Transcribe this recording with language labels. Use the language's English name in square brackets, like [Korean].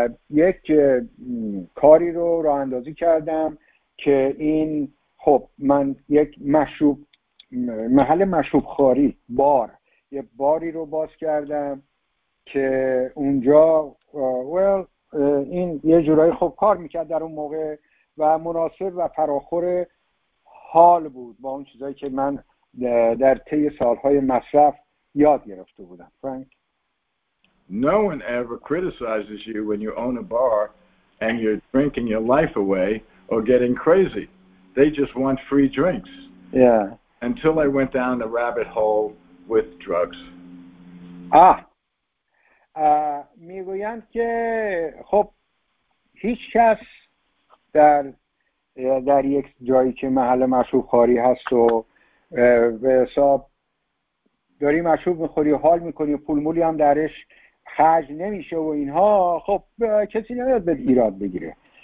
[Persian] یک کاری رو راه اندازی کردم که این خب من یک مشروب محل مشروب خاری بار، یه باری رو باز کردم که اونجا این یه جورایی خوب کار میکرد در اون موقع و مناسب و فراخور حال بود با اون چیزایی که من در طی سالهای مصرف یاد گرفته بودم. فرانک. [English] No one ever criticizes you when you own a bar and you're drinking your life away or getting crazy. They just want free drinks. Yeah. Until I went down the rabbit hole with drugs. Ah. [Persian] میگویند که خب هیچ کس در یک جایی که محل مشروب خاری هست و به حساب داری مشروب میخوری و حال میکنی و پول مولی هم درش خرج نمیشه و اینها، خب کسی نمیاد به ایراد بگیره.